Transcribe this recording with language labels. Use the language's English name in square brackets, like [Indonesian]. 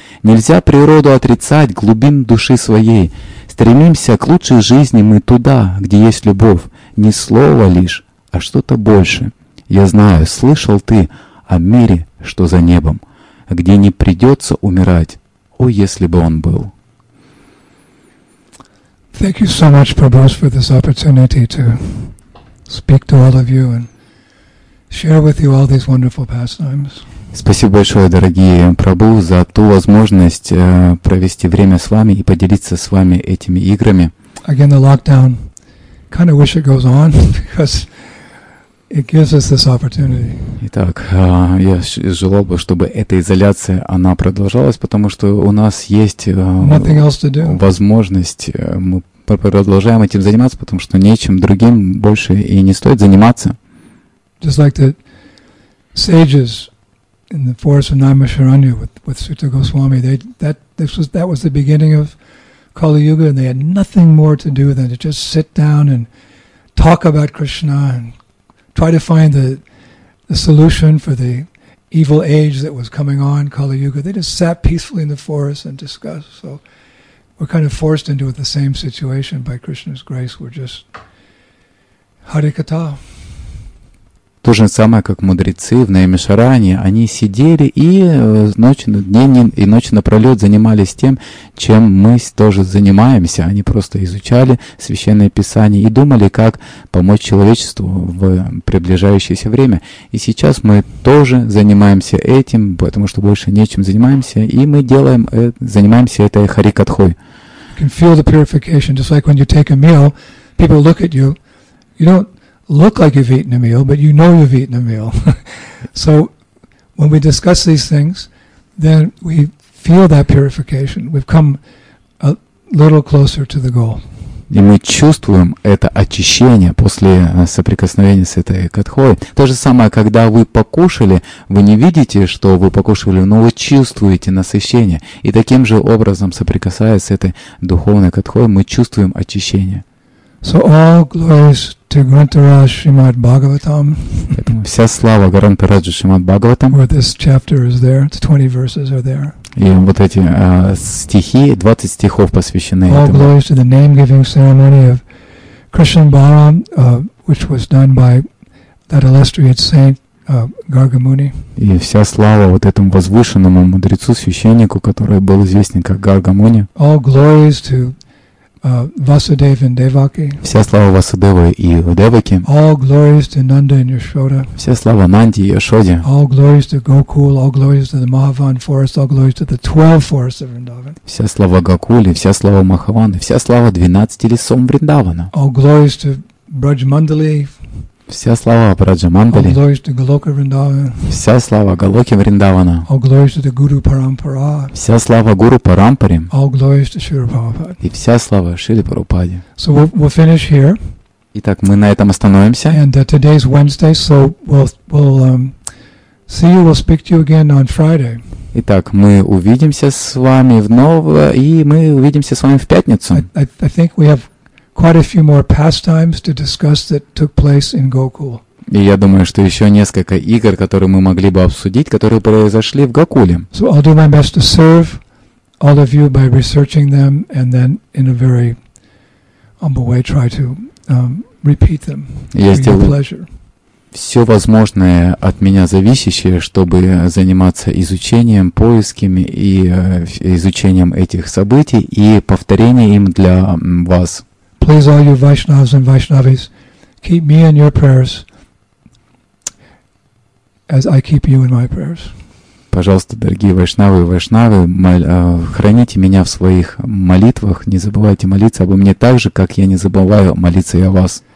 [Russian] Нельзя природу отрицать глубин души своей. Стремимся к лучшей жизни мы туда, где есть любовь. Не слово лишь, а что-то больше. Я знаю, слышал ты о мире, что за небом, где не придется умирать. О, если бы он был. [English] Thank you so much, Prabhu, for this opportunity to speak to all of you and share with you all these wonderful pastimes. [Russian] Спасибо большое, дорогие Прабху, за ту возможность провести время с вами и поделиться с вами этими играми. [English] Again, the lockdown. Kind of wish it goes on because it gives us this opportunity. [Russian] Итак, я желал бы, чтобы эта изоляция, она продолжалась, потому что у нас есть [English] nothing else to do. [Russian] Возможность, мы продолжаем этим заниматься, потому что нечем другим больше и не стоит заниматься. [English] Just like the sages in the forest of Naimasharanya with Sutta Goswami, that was the beginning of Kali Yuga, and they had nothing more to do than to just sit down and talk about Krishna and try to find the solution for the evil age that was coming on, Kali Yuga. They just sat peacefully in the forest and discussed. So we're kind of forced into the same situation by Krishna's grace. We're just Harikata. [Russian] То же самое, как мудрецы в Наймишаране, они сидели и ночь напролет занимались тем, чем мы тоже занимаемся. Они просто изучали Священное Писание и думали, как помочь человечеству в приближающееся время. И сейчас мы тоже занимаемся этим, потому что больше нечем занимаемся, и мы занимаемся этой харикатхой. [English] You can feel the purification, just like when you take a meal, people look at you, you don't look like you've eaten a meal, but you know you've eaten a meal. So when we discuss these things, then we feel that purification. We've come a little closer to the goal. [Russian] И мы чувствуем это очищение после соприкосновения с этой катхой. То же самое, когда вы покушали, вы не видите, что вы покушали, но вы чувствуете насыщение. И таким же образом, соприкасаясь с этой духовной катхой, мы чувствуем очищение. [English] So all glories to Grantharaj Srimad Bhagavatam. [Russian] Вся слава Грантараджу Шримад Бхагаватам. [English] Where this chapter is there, the 20 verses are there. [Russian] И вот эти стихи, 20 стихов посвящены этому. [English] All glories to the name-giving ceremony of Krishna Balaram, which was done by that illustrious saint Gargamuni. [Russian] И вся слава вот этому возвышенному мудрецу, священнику, который был известен как Гаргамуни. [English] All glories to Vasudev and Devaki. [Russian] Вся слава Васудеве и Девакин. [English] All glories to Nanda and Yashoda. [Russian] Вся слава Нанде и Яшоде. [English] All glories to Gokul. All glories to the Mahavan forest. All glories to the 12 forests of Vrindavan. [Russian] Вся слава Гокуле, вся слава Махаваны, вся слава 12 лесам Вриндавана. [English] All glories to Брадж-Мандали. [Russian] Вся слава Брадж-Мандали. [English] All glories to Галока Вриндавана. [Russian] Вся слава Галоке Вриндавана. [English] All glories to the Guru Parampara. [Russian] Вся слава Гуру Парампаре. [English] All glories to Шри Прабхупаде. [Russian] И вся слава Шри Прабхупаде. [English] So we'll finish here. [Russian] Итак, мы на этом остановимся. [English] And today's Wednesday, so we'll see you, we'll speak to you again on Friday. [Russian] Итак, мы увидимся с вами вновь, и мы увидимся с вами в пятницу. [English] I think we have quite a few more pastimes to discuss that took place in Gokul. [Russian] И я думаю, что еще несколько игр, которые мы могли бы обсудить, которые произошли в Гокуле. [English] So I'll do my best to serve all of you by researching them and then in a very humble way try to repeat them for your pleasure. [Russian] Все возможное от меня зависящее, чтобы заниматься изучением, поисками и изучением этих событий и повторением им для вас. [English] Please, all you Vaishnavas and Vaishnavis, keep me in your prayers as I keep you in my prayers. [Russian] Пожалуйста, дорогие Вайшнавы и Вайшнавы, храните меня в своих молитвах, не забывайте молиться обо мне так же, как я не забываю молиться и о вас.